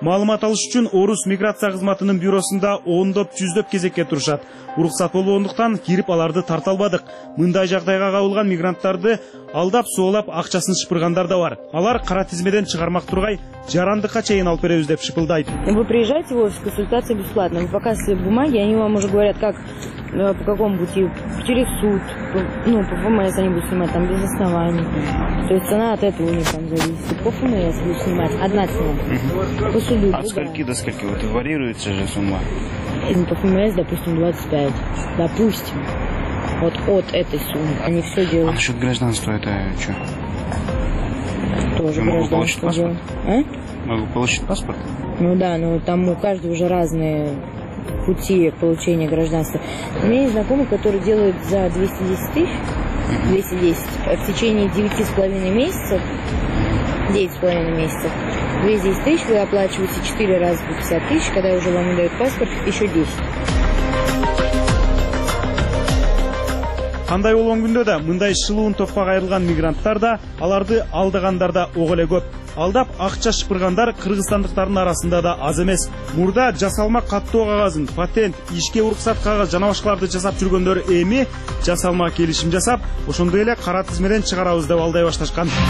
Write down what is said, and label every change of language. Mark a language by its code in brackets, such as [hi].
[ky] Маалымат алыш үчүн Орус миграция кызматынын бюросунда ондоп жүздөп кезекке турушат. Уруксат болбогондуктан кирип аларды тарта албадык. Мындай жагдайга кабылган мигранттарды алдап соолап акчасын шыпыргандар да бар. Алар кара тизмеден чыгармак тургай жарандыкка чейин алып беребиз деп шыпылдайт. [ru] Вы приезжайте в офис, консультация бесплатная. Вы показываете бумаги, они вам уже говорят, как по какому пути, через суд, по ФМС они будут снимать, там без оснований. То есть цена от этого у них там зависит. По ФМС будут снимать, одна цена. По суду. От скольки до скольки? Вот варьируется же сумма. По ФМС, допустим, 25. Допустим. Вот от этой суммы. Они все делают. А насчет гражданства это что? Тоже гражданство. Могу получить паспорт? Ну да, но там у каждого уже разные пути получения гражданства. У меня есть знакомый, который делает за 210 тысяч, в течение 9,5 месяцев, 210 тысяч, вы оплачиваете 4 раза по 50 тысяч, когда уже вам дают паспорт, еще 10. [ky] Кандай болгон күндө да мындай шылуун топко кайрылган мигранттар да, аларды алдагандар да ок эле көп. Алдап акча шыпыргандар кыргызстандыктардын арасында да аз эмес. Мурда жасалма каттоо кагазын, патент, ишке уруксат кагаз жана башкаларды жасап жүргөндөр эми жасалма келишим жасап, ошондой эле кара тизмеден чыгарабыз деп алдай башташкан.